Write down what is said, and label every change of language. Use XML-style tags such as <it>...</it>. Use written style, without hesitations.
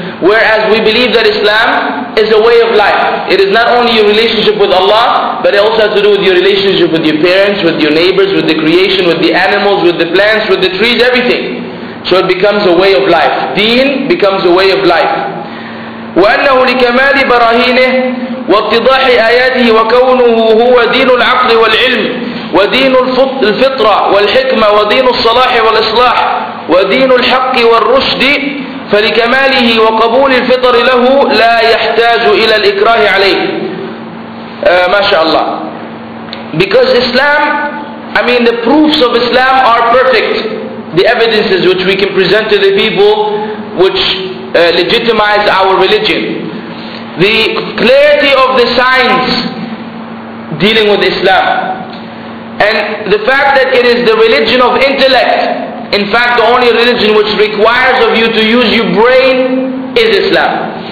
<en>Whereas we believe that Islam is a way of life. It is not only your relationship with Allah, but it also has to do with your relationship with your parents, with your neighbors, with the creation, with the animals, with the plants, with the trees, everything. So it becomes a way of life. Deen becomes a way of life.</en> <ar>وأنه لكمال براهينه واتضاح آياته وكونه هو دين العقل والعلم ودين الفطرة والحكمة ودين الصلاح والإصلاح ودين الحق والرشد فلكماله وقبول الفطر له لا يحتاج إلى الإكراه عليه. ما شاء الله.</ar> <en>Because Islam, I mean the proofs of Islam are perfect. The evidences which we can present to the people which legitimize our religion. The clarity of the signs dealing with Islam, and the fact that it is the religion of intellect, in fact the only religion which requires of you to use your brain, is Islam.</en>